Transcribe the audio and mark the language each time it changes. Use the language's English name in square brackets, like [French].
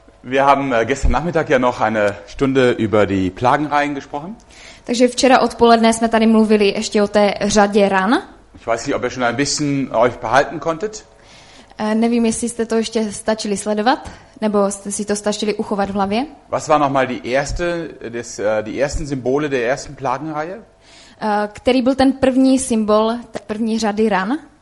[German] Wir haben gestern Nachmittag ja noch eine Stunde über die Plagenreihen gesprochen. [Czech] Takže včera odpoledne jsme tady mluvili ještě o té řadě ran. [German] Ich weiß nicht, ob ihr schon ein bisschen euch behalten konntet. [Czech] Nevím, jestli jste to ještě stačili sledovat, nebo jste si to stačili uchovat v hlavě. [German] Was war nochmal die ersten Symbole der ersten Plagenreihe? [Czech] Který byl ten první symbol té první řady ran?